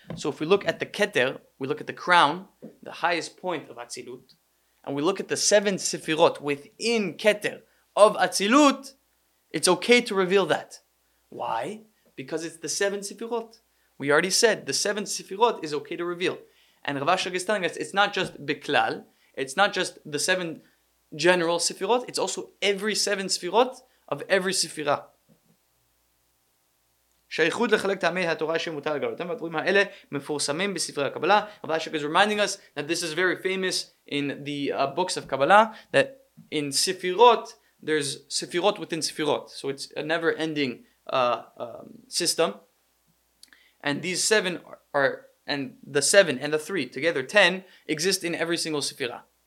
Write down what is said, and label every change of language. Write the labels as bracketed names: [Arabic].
[English] So if we look at the Keter, we look at the crown, the highest point of Atzilut, and we look at the seven sefirot within Keter of Atzilut, it's okay to reveal that. Why? Because it's the seven sefirot. We already said the seven sefirot is okay to reveal. And Rav Ashlag is telling us it's not just Beklal, it's not just the seven general sefirot, it's also every seven sefirot of every sefirah. [Hebrew] שייכות לחלק תעמי התורה שמותר לגלותם, והדברים האלה מפורסמים בספרי הקבלה. [English] Rav Ashlag is reminding us that this is very famous in the books of Kabbalah, that in sefirot, there's sefirot within sefirot. So it's a never-ending system. And these seven and the seven and the three, together ten, exist in every single sefirah.